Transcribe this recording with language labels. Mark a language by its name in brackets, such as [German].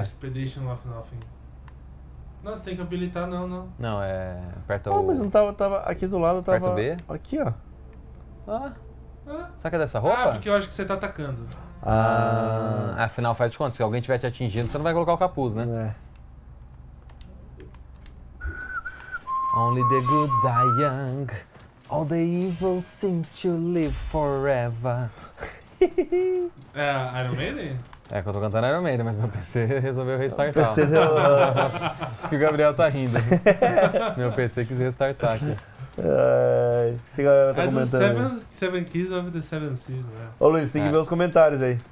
[English] Expedition off and off. [Portuguese] Nossa, tem que habilitar não. Não, é... Aperta o... Ah, mas não tava aqui do lado, tava... Aperta o B. Aqui, ó. Ah. Será que é dessa roupa? Ah, porque eu acho que você tá atacando. Ah, afinal, faz de conta, se alguém estiver te atingindo, você não vai colocar o capuz, né? É. [English] Only the good die young, all the evil seems to live forever. [Portuguese] É Iron Maiden? É que eu tô cantando Iron Maiden, mas meu PC resolveu restartar. PC deu... Acho que o Gabriel tá rindo. Meu PC quis restartar aqui. Ai, que galera tá comentando. Seven Keys of the Seven Seas, né? Ô Luiz, tem que ver os comentários aí.